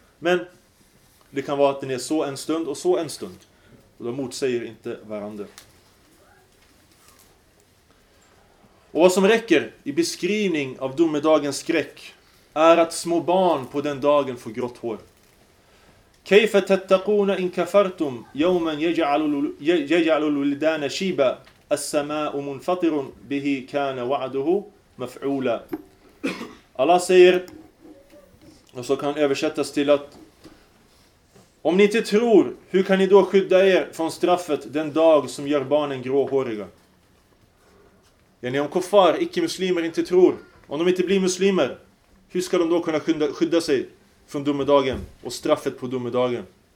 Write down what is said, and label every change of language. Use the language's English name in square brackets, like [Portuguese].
[Swedish] Men det kan vara att den är så en stund och så en stund. Och de motsäger inte varandra. Och vad som räcker i beskrivning av domedagens skräck är att små barn på den dagen får grått hår. [Arabic] كيف تتقون إن كفرتم يوما يجعل الولدان شيبا السماء منفطر به كان وعده مفعولا. [Swedish] Allah säger, och så kan översättas till att om ni inte tror, hur kan ni då skydda er från straffet den dag som gör barnen gråhåriga? Yani om kuffar, icke-muslimer, inte tror, om de inte blir muslimer, hur ska de då kunna skydda sig från domedagen och straffet på domedagen?